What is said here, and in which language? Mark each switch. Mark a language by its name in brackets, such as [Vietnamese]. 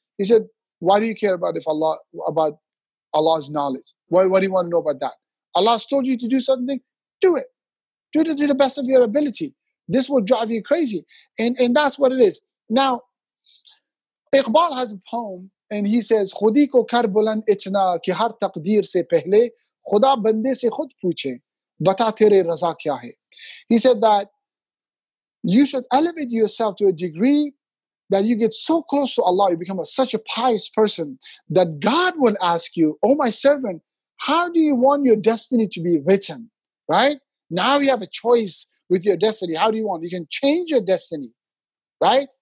[English] He said, why do you care about Allah's knowledge? Why do you want to know about that? Allah's told you to do something, do it. Do it to the best of your ability. This will drive you crazy. And that's what it is. Now, Iqbal has a poem And he says, [Urdu] خودی کو کر بلند اتنا کہ ہر تقدیر سے پہلے خدا بندے سے خود پوچھے بتا تیرے رضا کیا ہے. [English] He said that you should elevate yourself to a degree that you get so close to Allah, you become such a pious person that God will ask you, oh my servant, how do you want your destiny to be written? Right? Now you have a choice with your destiny. How do you want? You can change your destiny. Right?